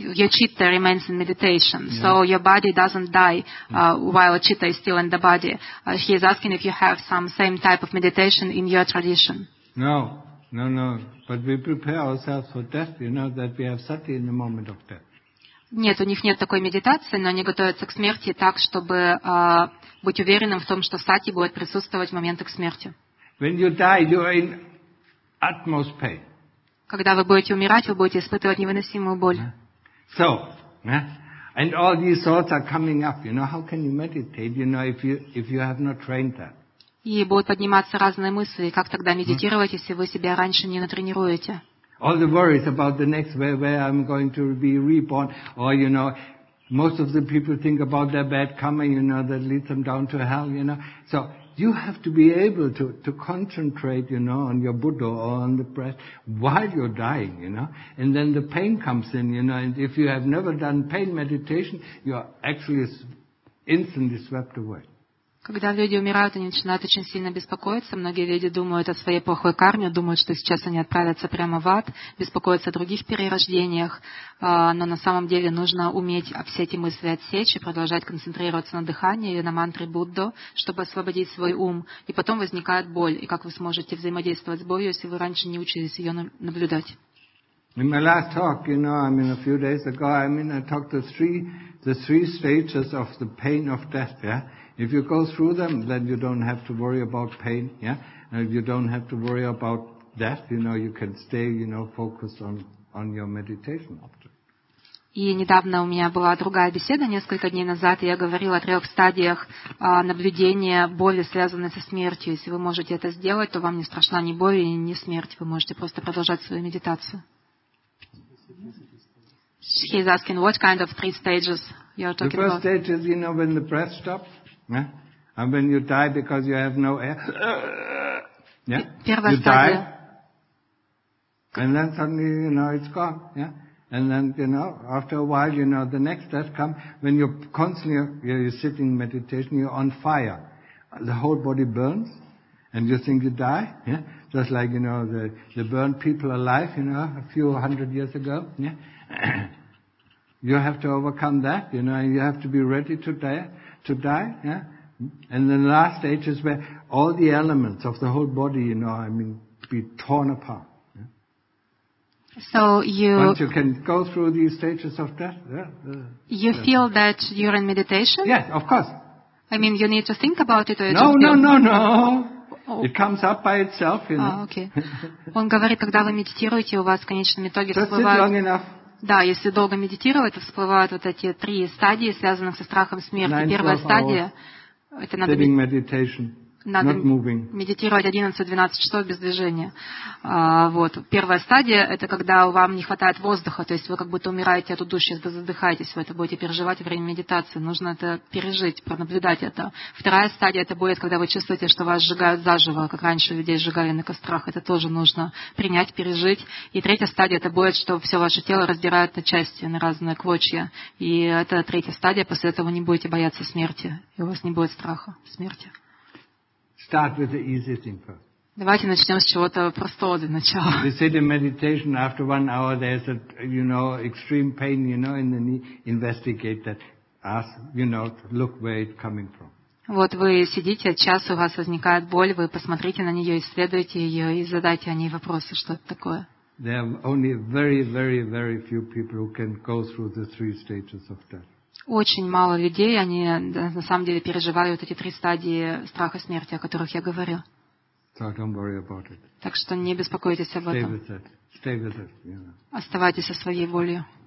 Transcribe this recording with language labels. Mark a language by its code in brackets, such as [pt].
[en] Your chitta remains in meditation. Yeah. So your body doesn't die while chitta is still in the body. He is asking if you have some same type of meditation in your tradition. No. But we prepare ourselves for death, you know, that we have sati in the moment of death. [ru] Нет, у них нет такой медитации, но они готовятся к смерти так, чтобы быть уверенным в том, что сати будет присутствовать в момент их смерти. [en] When you die, you are in utmost pain. [ru] Когда вы будете умирать, вы будете испытывать невыносимую боль. [en] So, yeah, and all these thoughts are coming up. You know, how can you meditate? You know, if you have not trained that. [ru] И будут подниматься разные мысли. Как тогда медитировать, если вы себя раньше не натренируете? [en] All the worries about the next where I'm going to be reborn, or you know. Most of the people think about their bad karma, you know, that leads them down to hell, you know. So you have to be able to concentrate, you know, on your Buddha or on the breath while you're dying, you know. And then the pain comes in, you know, and if you have never done pain meditation, you're actually instantly swept away. [ru] Когда люди умирают, они начинают очень сильно беспокоиться. Многие люди думают о своей плохой карме, думают, что сейчас они отправятся прямо в ад, беспокоятся о других перерождениях. Но на самом деле нужно уметь все эти мысли отсечь и продолжать концентрироваться на дыхании или на мантре Буддо, чтобы освободить свой ум. И потом возникает боль. И как вы сможете взаимодействовать с болью, если вы раньше не учились ее наблюдать? [en] In my last talk, you know, I mean, a few days ago, I talked to three stages of the pain of death, yeah? If you go through them, then you don't have to worry about pain, yeah? And you don't have to worry about death, you know, you can stay, you know, focused on your meditation object. [ru] И недавно у меня была другая беседа, несколько дней назад, и я говорила о трех стадиях наблюдения боли, связанной со смертью. Если вы можете это сделать, то вам не страшна ни боль, ни смерть. Вы можете просто продолжать свою медитацию. [en] He's asking, what kind of three stages you're talking about? The first stage is, you know, when the breath stops, yeah? And when you die because you have no air. Yeah? You die. And then suddenly, you know, it's gone, yeah? And then, you know, after a while, you know, the next death comes when you're constantly, you're sitting in meditation, you're on fire. The whole body burns, and you think you die, yeah? Just like, you know, they burned people alive, you know, a few hundred years ago, yeah? You have to overcome that, you know, and you have to be ready to die, yeah? And then the last stage is where all the elements of the whole body, you know, I mean, be torn apart. So once you can go through these stages of death, you feel that you're in meditation? Yes, of course. I mean, you need to think about it, or No. It comes up by itself, you know. Okay. [ru] Он говорит, когда вы медитируете, у вас в конечном итоге всплывают. [en] Long enough. [ru] Да, если долго медитировать, то всплывают вот эти три стадии, связанных со страхом смерти. Первая стадия. Это надо. [en] Sitting meditation. [ru] Надо медитировать 11-12 часов без движения. Вот. Первая стадия – это когда вам не хватает воздуха, то есть вы как будто умираете от удушья, вы задыхаетесь, вы это будете переживать во время медитации. Нужно это пережить, пронаблюдать это. Вторая стадия – это будет, когда вы чувствуете, что вас сжигают заживо, как раньше людей сжигали на кострах. Это тоже нужно принять, пережить. И третья стадия – это будет, что все ваше тело раздирают на части, на разные клочья. И это третья стадия. После этого вы не будете бояться смерти, и у вас не будет страха смерти. [en] Start with the easy thing first. [ru] Давайте начнем с чего-то простого для начала. [en] We sit in meditation after 1 hour. There's a, you know, extreme pain, you know, in the knee. Investigate that. Ask, you know, look where it's coming from. [ru] Вот вы сидите час, у вас возникает боль. Вы посмотрите на нее, исследуйте ее и задайте о ней вопросы, что это такое. [en] There are only very, very, very few people who can go through the three stages of death. [ru] Очень мало людей, они на самом деле переживают эти три стадии страха смерти, о которых я говорил. [en] So don't worry about it. [ru] Так что не беспокойтесь об [en] Stay [ru] этом. [en] With it. Stay with it, you know. [ru] Оставайтесь со своей волей.